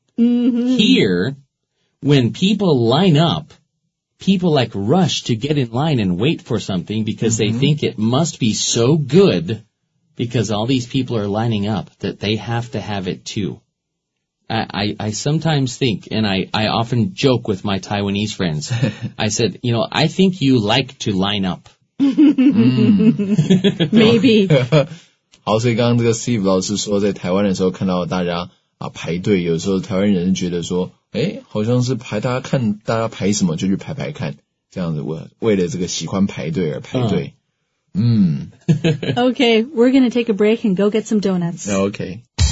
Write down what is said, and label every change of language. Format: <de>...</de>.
<en>Here, when people line up, people like rush to get in line and wait for something because they think it must be so good,Because all these people are lining up that they have to have it too. I sometimes think, and I often joke with my Taiwanese friends, I said, you know, I think you like to line up. Maybe.</en> <zh>好，所以刚刚这个 Steve 老师说在台湾的时候看到大家排队，有时候台湾人觉得说，诶，好像是排大家看大家排什么就去排排看，这样子为了这个喜欢排队而排队。</zh> <en>Okay, we're going to take a break and go get some donuts. Okay.</en>